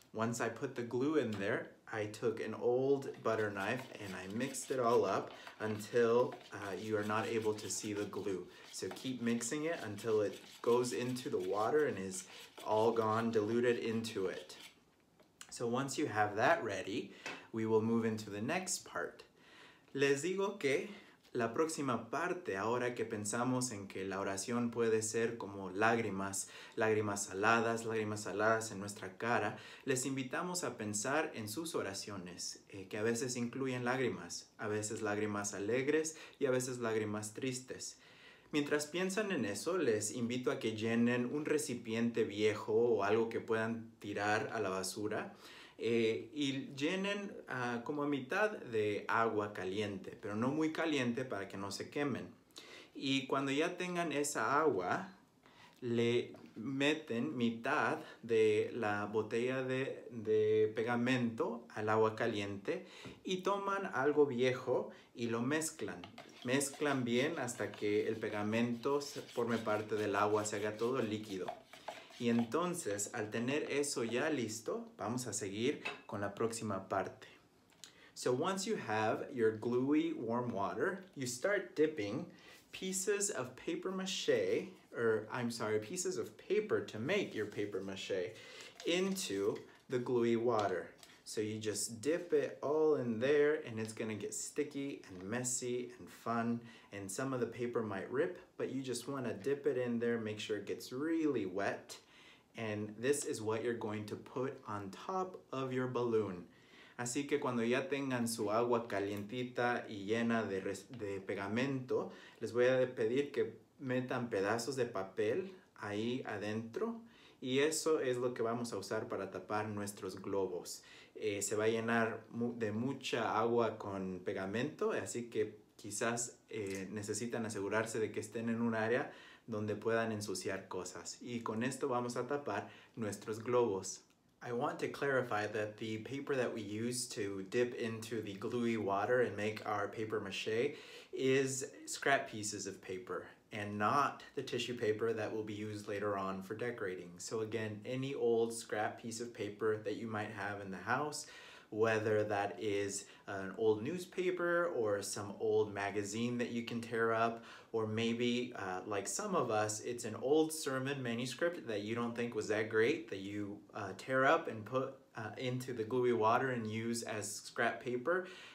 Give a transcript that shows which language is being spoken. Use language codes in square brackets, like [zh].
[en] Once I put the glue in there, I took an old butter knife and I mixed it all up until you are not able to see the glue. So keep mixing it until it goes into the water and is all gone, diluted into it. So once you have that ready, we will move into the next part. [es] Les digo que la próxima parte, ahora que pensamos en que la oración puede ser como lágrimas, lágrimas saladas en nuestra cara, les invitamos a pensar en sus oraciones, que a veces incluyen lágrimas, a veces lágrimas alegres y a veces lágrimas tristes. Mientras piensan en eso, les invito a que llenen un recipiente viejo o algo que puedan tirar a la basura y llenen como a mitad de agua caliente, pero no muy caliente para que no se quemen. Y cuando ya tengan esa agua, le meten mitad de la botella de pegamento al agua caliente y toman algo viejo y lo mezclan. Mezclan bien hasta que el pegamento forme parte del agua, se haga todo líquido. Y entonces, al tener eso ya listo, vamos a seguir con la próxima parte. [en] So once you have your gluey warm water, you start dipping pieces of paper mache, pieces of paper to make your paper mache into the gluey water. So you just dip it all in there and it's gonna get sticky and messy and fun. And some of the paper might rip, but you just wanna dip it in there, make sure it gets really wet. And this is what you're going to put on top of your balloon. [es] Así que cuando ya tengan su agua calientita y llena de pegamento, les voy a pedir que metan pedazos de papel ahí adentro. Y eso es lo que vamos a usar para tapar nuestros globos. Se va a llenar de mucha agua con pegamento, así que quizás necesitan asegurarse de que estén en un área donde puedan ensuciar cosas. Y con esto vamos a tapar nuestros globos. [en] I want to clarify that the paper that we use to dip into the gluey water and make our paper mache is scrap pieces of paper and not the tissue paper that will be used later on for decorating. So again, any old scrap piece of paper that you might have in the house, whether that is an old newspaper or some old magazine that you can tear up, or maybe like some of us, it's an old sermon manuscript that you don't think was that great that you tear up and put into the gluey water and use as scrap paper.